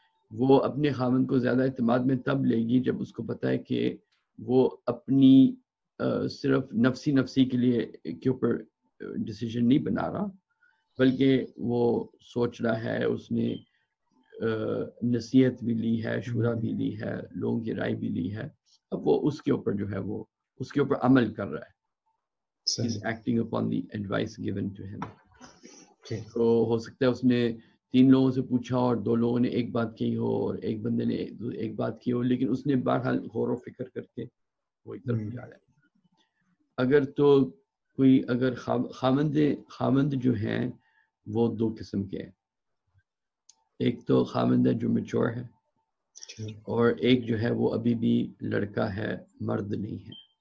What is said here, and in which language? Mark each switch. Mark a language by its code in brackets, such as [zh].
[hi] वो अपने खावंद को ज्यादा इत्तेमाद में तब लेगी जब उसको पता है कि वो अपनी सिर्फ नफसी के लिए के ऊपर डिसीजन नहीं बना रहा, बल्कि वो सोच रहा है, उसने नसीहत भी ली है, शूरा भी ली है, लोगों की राय भी ली है, अब वो उसके ऊपर जो है वो उसके ऊपर अमल कर रहा है. [en] He is acting upon the advice given to him. [hi] तो हो सकता है उसने तीन लोगों से पूछा और दो लोगों ने एक बात कही हो और एक बंदे ने एक बात की हो, लेकिन उसने बहरहाल गौर और फिक्र करके वो एक तरफ जा रहा है. अगर तो कोई अगर खावंद जो है वो दो किस्म के हैं, एक तो खावंद है जो मेच्योर है और एक जो है वो अभी भी लड़का है, मर्द नहीं है.